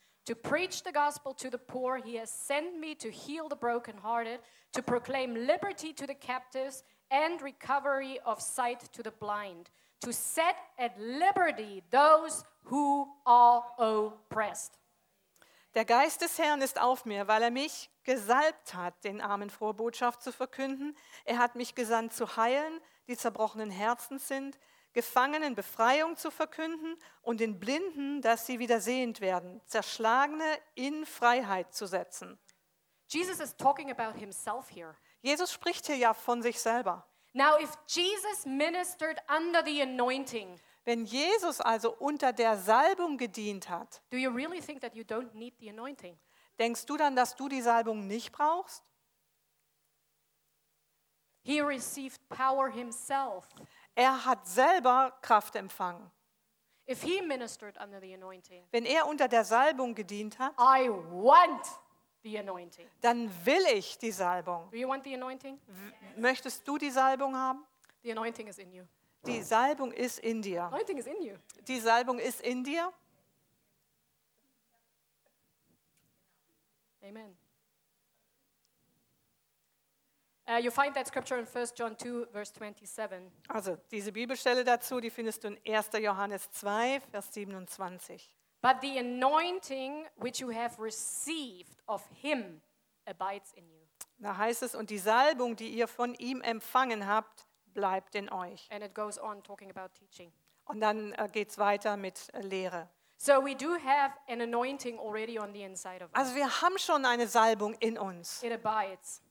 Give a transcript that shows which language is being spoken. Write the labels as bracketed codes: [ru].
[en] To preach the gospel to the poor, he has sent me to heal the brokenhearted, to proclaim liberty to the captives and recovery of sight to the blind, to set at liberty those who are oppressed. [de] Der Geist des Herrn ist auf mir, weil er mich gesalbt hat, den Armen frohe Botschaft zu verkünden. Er hat mich gesandt zu heilen, die zerbrochenen Herzen sind, Gefangenen Befreiung zu verkünden und den Blinden, dass sie wieder sehend werden, Zerschlagene in Freiheit zu setzen. [en] Jesus is talking about himself here. [de] Jesus spricht hier ja von sich selber. [en] Now if Jesus ministered under the anointing, [de] wenn Jesus also unter der Salbung gedient hat, [en] do you really think that you don't need the anointing? [de] Denkst du dann, dass du die Salbung nicht brauchst? [en] He received power himself. [de] Er hat selber Kraft empfangen. [en] If he ministered under the anointing, [de] wenn er unter der Salbung gedient hat, [en] I want the anointing. [de] Dann will ich die Salbung. [en] Do you want the anointing? [de] Möchtest du die Salbung haben? [en] The anointing is in you. [de] Die Salbung ist in dir. [en] Anointing is in you. [de] Die Salbung ist in dir. [en] Amen. You find that scripture in 1 John 2, verse 27. [de] Also, diese Bibelstelle dazu, die findest du in 1. Johannes 2, Vers 27. [en] But the anointing which you have received of him abides in you. [de] Da heißt es, und die Salbung, die ihr von ihm empfangen habt, bleibt in euch. [en] And it goes on talking about teaching. [de] Und dann geht's weiter mit Lehre. [en] So we do have an anointing already on the inside of us. [de] Also wir haben schon eine Salbung in uns. [en] It abides.